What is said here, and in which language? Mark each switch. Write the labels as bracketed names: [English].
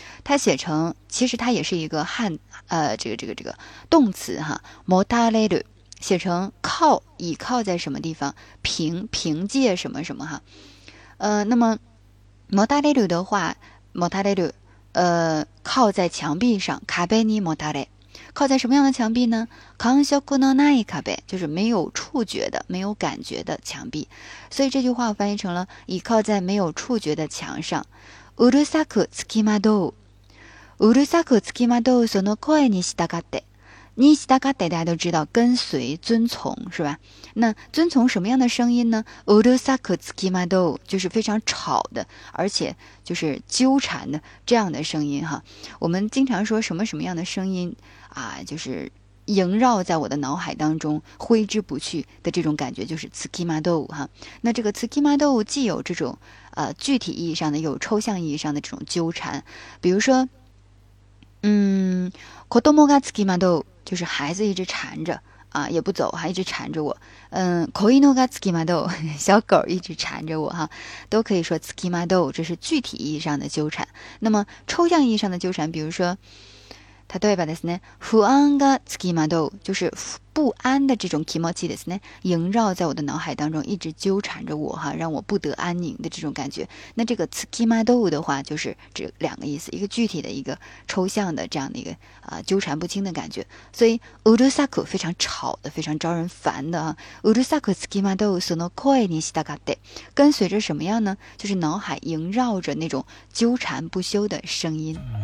[Chinese] 它写成，其实它也是一个汉，这个动词哈，モダレル，写成靠，倚靠在什么地方，凭借什么什么哈，那么モダレル的话，モダレル，靠在墙壁上， [Japanese] カベニモダレ， [Chinese] 靠在什么样的墙壁呢？ [Japanese] 感触のない壁， [Chinese] 就是没有触觉的、没有感觉的墙壁。所以这句话我翻译成了倚靠在没有触觉的墙上。 [Japanese] うるさくつきまどう。うるさくつきまどうその声に従って。に従って [Chinese] 大家都知道跟随、遵从是吧？那遵从什么样的声音呢？ [Japanese] うるさくつきまどう， [Chinese] 就是非常吵的，而且就是纠缠的这样的声音哈。我们经常说什么什么样的声音啊，就是萦绕在我的脑海当中挥之不去的这种感觉，就是 tsukimado 哈。那这个 tsukimado 既有这种具体意义上的，有抽象意义上的这种纠缠，比如说 [Japanese] 子供が tsukimado [Chinese] 就是孩子一直缠着啊，也不走，还一直缠着我。 [Japanese] 子犬が tsukimado [Chinese] 小狗一直缠着我哈，都可以说 tsukimado， 这是具体意义上的纠缠。那么抽象意义上的纠缠，比如说 [Japanese] 例えばですね、不安がつきまどう， [Chinese] 就是不安的这种 [Japanese] 気持ちですね， [Chinese] 萦绕在我的脑海当中，一直纠缠着我哈，让我不得安宁的这种感觉。那这个 [Japanese] つきまどう [Chinese] 的话，就是这两个意思，一个具体的，一个抽象的这样的一个纠缠不清的感觉。所以 [Japanese] うるさく [Chinese] 非常吵的，非常招人烦的啊。 [Japanese] うるさくつきまどうその声に従って， [Chinese] 跟随着什么样呢？就是脑海萦绕着那种纠缠不休的声音。